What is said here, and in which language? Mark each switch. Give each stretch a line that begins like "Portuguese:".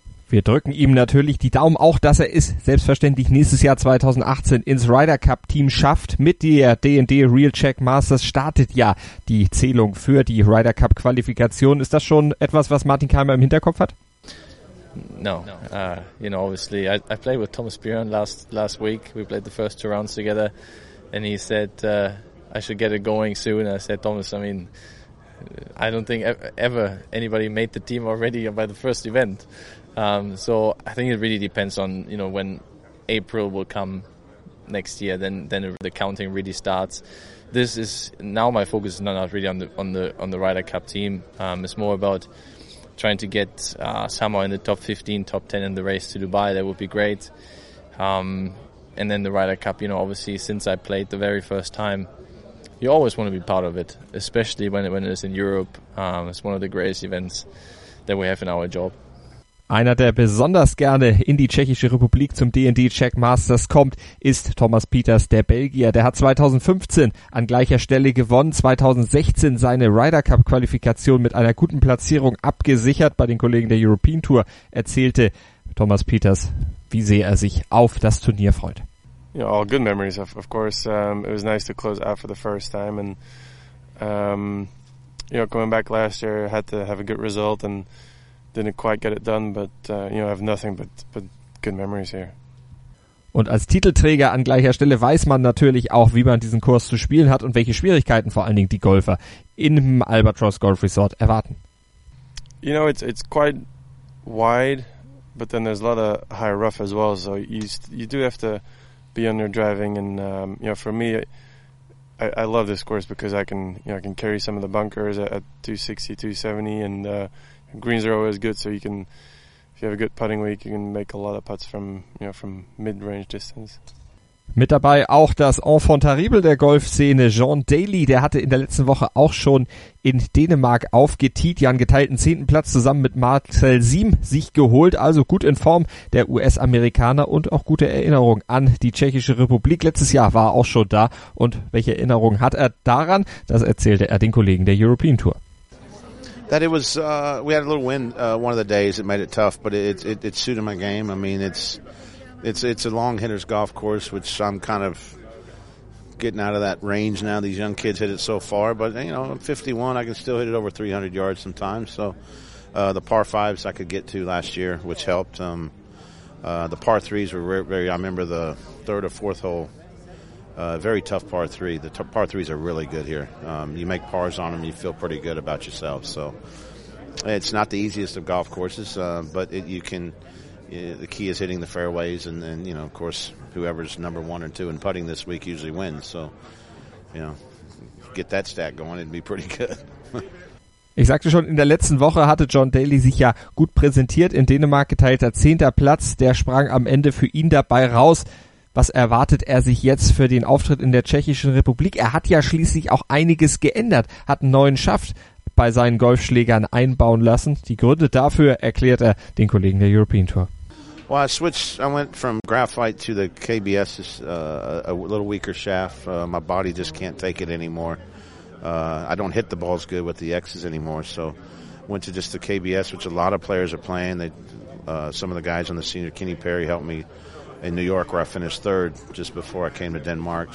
German: Wir drücken ihm natürlich die Daumen, auch dass er es selbstverständlich nächstes Jahr 2018 ins Ryder Cup Team schafft. Mit der D&D Real Czech Masters startet ja die Zählung für die Ryder Cup Qualifikation. Ist das schon etwas, was Martin Keimer im Hinterkopf hat?
English: No. You know, obviously, I played with Thomas Bjørn last week. We played the first 2 rounds together and he said I should get it going soon. I said, Thomas, I mean, I don't think ever anybody made the team already by the first event. So I think it really depends on, you know, when April will come next year, then the counting really starts. This is now my focus is not really on the Ryder Cup team. It's more about trying to get somewhere in the top 15, top 10 in the race to Dubai. That would be great. And then the Ryder Cup, you know, obviously since I played the very first time, you always want to be part of it, especially when it's in Europe. It's one of the greatest events that we have in our job.
German: Einer, der besonders gerne in die Tschechische Republik zum D&D Czech Masters kommt, ist Thomas Peters, der Belgier. Der hat 2015 an gleicher Stelle gewonnen, 2016 seine Ryder Cup Qualifikation mit einer guten Platzierung abgesichert. Bei den Kollegen der European Tour erzählte Thomas Peters, wie sehr er sich auf das Turnier freut.
English: You know, all good memories, of course. It was nice to close out for the first time and you know, coming back last year, had to have a good result and didn't quite get it done, but you know, I have nothing but good memories here.
German: Und als Titelträger an gleicher Stelle weiß man natürlich auch, wie man diesen Kurs zu spielen hat und welche Schwierigkeiten vor allen Dingen die Golfer im Albatros Golf Resort erwarten.
English: You know, it's quite wide, but then there's a lot of high rough as well, so you do have to be on your driving and you know, for me I love this course because I can, you know, I can carry some of the bunkers at 260, 270 and greens are always good, so you can, if you have a good putting week, you can make a lot of putts from, you know, from mid-range distance.
German: Mit dabei auch das Enfant terrible der Golfszene, John Daly, der hatte in der letzten Woche auch schon in Dänemark aufgeteet, ja, einen geteilten 10. Platz zusammen mit Marcel Siem sich geholt, also gut in Form der US-Amerikaner und auch gute Erinnerung an die Tschechische Republik. Letztes Jahr war er auch schon da und welche Erinnerung hat er daran? Das erzählte er den Kollegen der European Tour.
English: That it was, we had a little wind one of the days. It made it tough, but it suited my game. I mean, it's a long hitter's golf course, which I'm kind of getting out of that range now. These young kids hit it so far, but you know, I'm 51, I can still hit it over 300 yards sometimes. So the par fives I could get to last year, which helped. The par threes were very. I remember the third or fourth hole, very tough par three. The par threes are really good here. You make pars on them, you feel pretty good about yourself. So it's not the easiest of golf courses, but the key is hitting the fairways. And you know, of course, whoever's number one or two in putting this week usually wins. So, you know, get that stat going, it'd be pretty good.
German: Ich sagte schon, in der letzten Woche hatte John Daly sich ja gut präsentiert. In Dänemark geteilter 10. Platz, der sprang am Ende für ihn dabei raus. Was erwartet er sich jetzt für den Auftritt in der Tschechischen Republik? Er hat ja schließlich auch einiges geändert, hat einen neuen Schaft bei seinen Golfschlägern einbauen lassen. Die Gründe dafür erklärt er den Kollegen der European Tour.
English: Well, I switched. I went from graphite to the KBS a little weaker shaft. My body just can't take it anymore. I don't hit the balls good with the X's anymore, so went to just the KBS, which a lot of players are playing. Some of the guys on the senior, Kenny Perry, helped me in New York, where I finished third just before I came to Denmark.